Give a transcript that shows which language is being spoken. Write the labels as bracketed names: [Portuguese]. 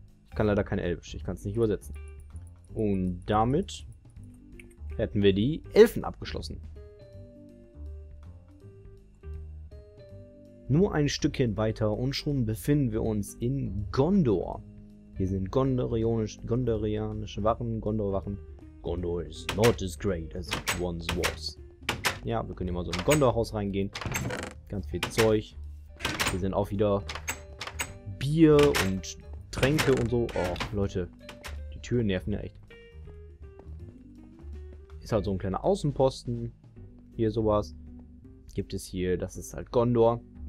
[German] Ich kann leider kein Elbisch, ich kann es nicht übersetzen. Und damit hätten wir die Elfen abgeschlossen. Nur ein Stückchen weiter und schon befinden wir uns in Gondor. Hier sind gondorianische Wachen, Gondor-Wachen. [English] Gondor is not as great as it once was. [German] Ja, wir können hier mal so in ein Gondor-Haus reingehen. Ganz viel Zeug. Hier sind auch wieder Bier und Tränke und so. Och, Leute, die Türen nerven ja echt. Ist halt so ein kleiner Außenposten. Hier sowas. Gibt es hier, das ist halt Gondor.